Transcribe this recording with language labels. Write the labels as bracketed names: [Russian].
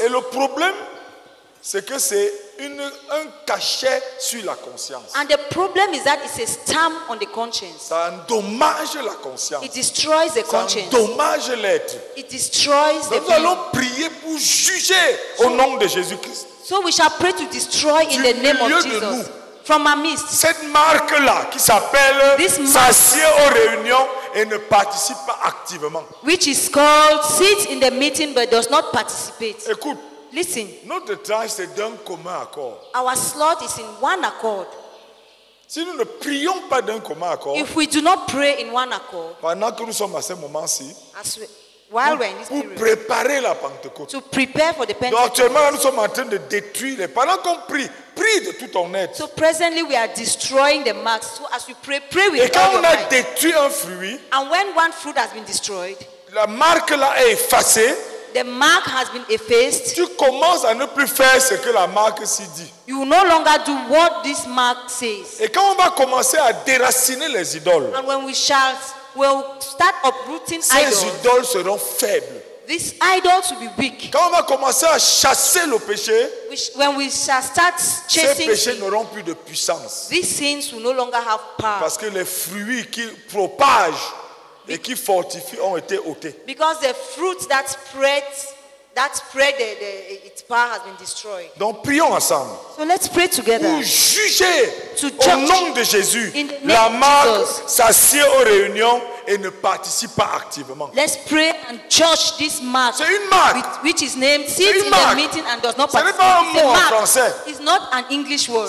[French] Et le problème, c'est que c'est un cachet sur la conscience. [English] And the problem is that it's a stamp on the conscience. [French] Ça endommage la conscience. [English] It destroys the conscience. [French] Ça endommage l'être. [English] It destroys the. [French] Nous allons prier pour juger au nom de Jésus-Christ. [English] So we shall pray to destroy in the name of Jesus. [French] Nous, [English] from our midst. [French] Cette marque-là qui s'appelle s'assied aux réunions et ne participe pas activement. [English] Which is called sit in the meeting but does not participate. [French] Écoute. [English] Listen. [French] Notre temps c'est d'un commun accord. [English] Our slot is in one accord. [French] Si nous ne prions pas d'un commun accord. [English] If we do not pray in one accord. [French] Pendant que nous sommes à ce moment-ci. [English] As we, while we're in this [French] period. Pour préparer la Pentecôte. [English] To prepare for the Pentecôte. [French] Donc actuellement nous sommes en train de détruire les. Pendant qu'on prie, prie de tout ton être. [English] So presently we are destroying the marks. So as we pray, pray with all your mind. [French] Et quand on a détruit un fruit. [English] And when one fruit has been destroyed. [French] La marque là est effacée. [English] The mark has been effaced. [French] Tu commences à ne plus faire ce que la marque s'y dit. [English] You will no longer do what this mark says. [French] Et quand on va commencer à déraciner les idoles. [English] And when we shall we'll start uprooting [French] ces [English] idols. [French] Ces idoles seront faibles. [English] These idols will be weak. [French] Quand on va commencer à chasser le péché. [English] When we shall start chasing [French] ces péchés n'auront plus de puissance. [English] These sins will no longer have power. [French] Parce que les fruits qui propagent et qui fortifie ont été ôtés. [English] Because the fruit that spread the its power has been destroyed. [French] Donc prions ensemble. [English] So let's pray together. [French] Pour juger [English] to judge [French] au nom de Jésus la marque s'assied aux réunions et ne participe pas activement. [English] Let's pray and judge this mark. [French] C'est une marque. [English] Which is named sit in [French] marque. [English] The meeting and does not participate. [French] Ce n'est pas un mot en français. [English] It's not an English word.